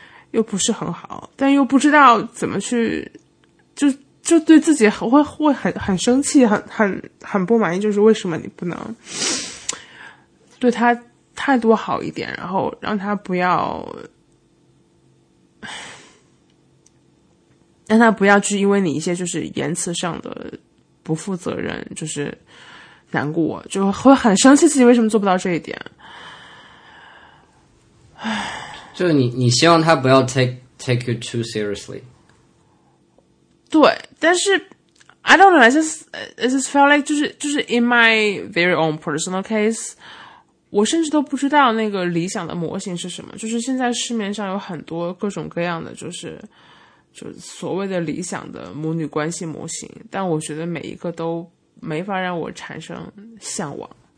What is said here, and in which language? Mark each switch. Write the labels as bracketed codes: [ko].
[zh] 又不是很好，但又不知道怎么去，就对自己会很生气，很不满意，就是为什么你不能对他态度好一点，然后让他不要去因为你一些就是言辞上的不负责任，就是难过，就会很生气自己为什么做不到这一点。就你希望他不要 [en] take you too seriously。 [zh] 对，但是 [en] I don't know, I just felt like [zh] 就是 [en] in my very own personal case, [zh] 我甚至都不知道那个理想的模型是什么。就是现在市面上有很多各种各样的就是所谓的理想的母女关系模型，但我觉得每一个都没法让我产生向往。